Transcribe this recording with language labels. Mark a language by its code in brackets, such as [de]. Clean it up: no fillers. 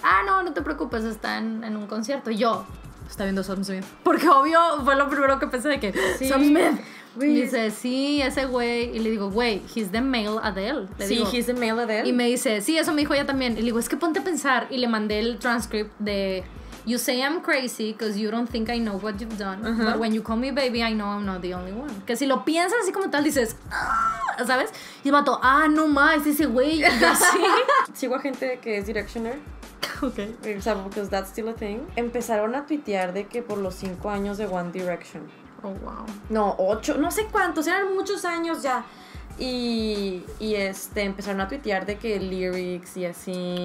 [es] Ah, no, no te preocupes, está en un concierto. Y yo... Está viendo Sam Smith. Porque obvio fue lo primero que pensé de que... Sí. Sam Smith. Y dice, sí, ese güey. Y le digo, güey, [en] he's the male Adele. [es] Le sí, digo, [en] he's the male Adele. [es] Y me dice, sí, eso me dijo ella también. Y le digo, es que ponte a pensar. Y le mandé el transcript de... [en] You say I'm crazy because you don't think I know what you've done. Uh-huh. But when you call me baby, I know I'm not the only one. [es] Que si lo piensas así como tal, dices, ¡ah! ¿Sabes? Y el vato, ah, no más, dice, güey, yo sí. Sigo a gente que es directioner. Ok. O sea, [en] because that's still a thing. [es] Empezaron a tuitear de que por los 5 años de One Direction. [en] Oh, wow. [es] No, 8, no sé cuántos, eran muchos años ya. Y empezaron a tuitear de que lyrics y así.